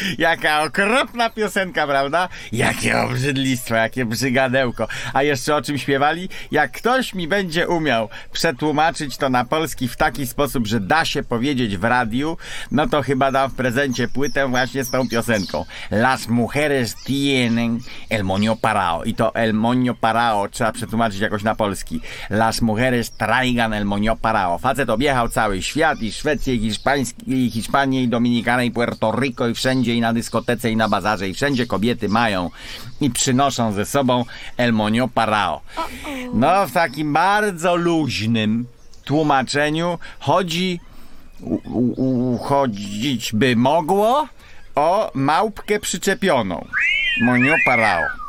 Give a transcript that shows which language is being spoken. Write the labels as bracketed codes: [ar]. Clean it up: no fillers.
[pl] Jaka okropna piosenka, prawda? Jakie obrzydlistwo, jakie brzygadełko. A jeszcze o czym śpiewali? Jak ktoś mi będzie umiał przetłumaczyć to na polski w taki sposób, że da się powiedzieć w radiu, no to chyba dam w prezencie płytę właśnie z tą piosenką. [es] Las mujeres tienen el moño parao. [pl] I to [es] el moño parao [pl] trzeba przetłumaczyć jakoś na polski. [es] Las mujeres traigan el moño parao. [pl] Facet objechał cały świat, i Szwecję, i Hiszpanię, i Dominikanę, i Puerto Rico, i wszędzie, i na dyskotece, i na bazarze, i wszędzie kobiety mają i przynoszą ze sobą [es] el moño parao. [pl] No, w takim bardzo luźnym tłumaczeniu chodzi, chodzić by mogło o małpkę przyczepioną. Moño parao.